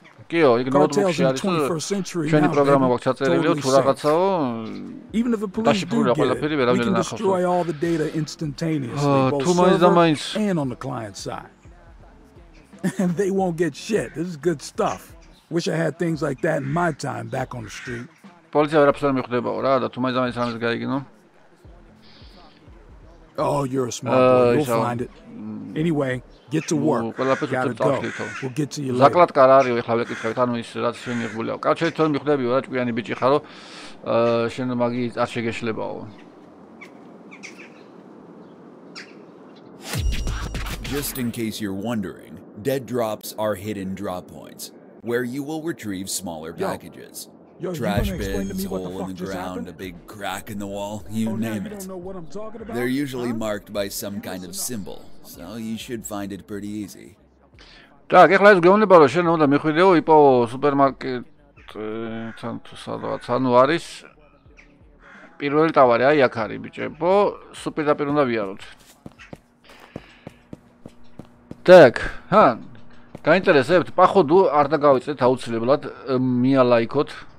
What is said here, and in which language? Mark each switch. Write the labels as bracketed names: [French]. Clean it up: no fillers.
[Georgian] კიო, იქ ნოტბუქში არის ჩვენი პროგრამა გვაქვს ჩაწერილიო, თუ რაღაცაო. [English] Even if a police do get it, we can destroy all the data instantaneously, both server and on the client side. And they won't get shit. This is good stuff. Wish I had things like that in my time back on the street. [Georgian] Полиция ვერაფერს მიხვდებაო რა და თუ მაინც ამის რამეს გაიგინო. [English] Oh, you're a smart boy. You'll find it. Anyway, get to work. We'll get to you later. [Georgian] ზაკლატკა რა არის ეხლა ვეკითხებით, ანუ ის რაც შენ იღბულიაო. კაცო, თორემ მიხვდებიო რა, ჭკვიანი ბიჭი ხარო. შენ მაგი არ შეგეშლებაო. [English] Just in case you're wondering, dead drops are hidden drop points where you will retrieve smaller packages. Yo, trash bins, hole in the ground, happened? A big crack in the wall, you oh, name it. You don't know what I'm talking about? They're usually marked by some kind of symbol, so you should find it pretty easy. [Georgian] Так, ეხლა ეს გეუბნება, რომ შენ უნდა მიხვიდეო იპოვო სუპერმარკეტთან თუ სადღაც, ანუ არის პირველი ტავარი, აი აქ არის ბიჭებო, სუპერდაპირ უნდა ვიაროთ. Так, ჰა. გაინტერესებთ, походу არ დაგავიწყეთ აუცილებლად მია ლაიკოთ.